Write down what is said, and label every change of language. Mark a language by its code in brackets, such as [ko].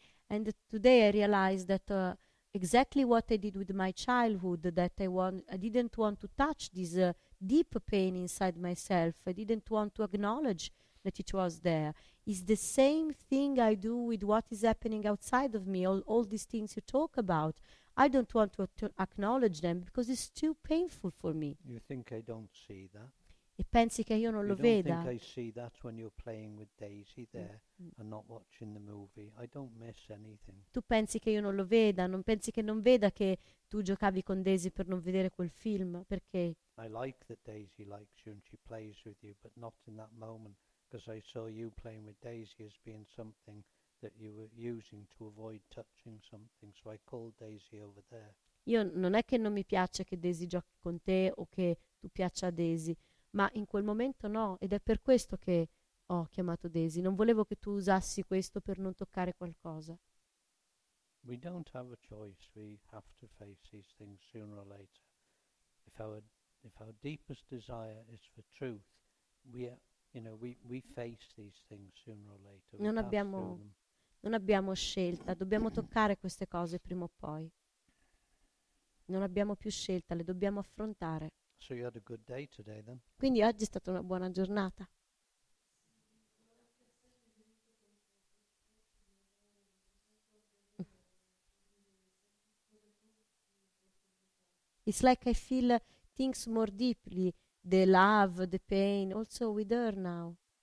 [en] And today I realized that exactly what I did with my childhood, that I didn't want to touch this deep pain inside myself, I didn't want to acknowledge that it was there, is the same thing I do with what is happening outside of me, all these things you talk about. I don't want to acknowledge them because it's too painful for me. You think I don't see that? [it] E pensi che io non [en] you [it] lo veda? [en] You don't think I see that when you're playing with Daisy there and not watching the movie? I don't miss anything. [it] Tu pensi che io non lo veda? Non pensi che non veda che tu giocavi con Daisy per non vedere quel film? Perché? [en] I like that Daisy likes you and she plays with you, but not in that moment, because I saw you playing with Daisy as being something that you were using to avoid touching something, so I called Daisy over there. [it] Io non è che non mi piace che Daisy giochi con te o che tu piaccia a Daisy, ma in quel momento no, ed è per questo che ho chiamato Daisy. Non volevo che tu usassi questo per non toccare qualcosa. [en] We don't have a choice. We have to face these things sooner or later. If our deepest desire is for truth, we face these things sooner or later. [it] Non abbiamo scelta, dobbiamo toccare queste cose prima o poi. Non abbiamo più scelta, le dobbiamo affrontare. [en] So you had a good day today, then. [it] Quindi oggi è stata una buona giornata. [en] It's like I feel things more deeply, the love, the pain, also with her now.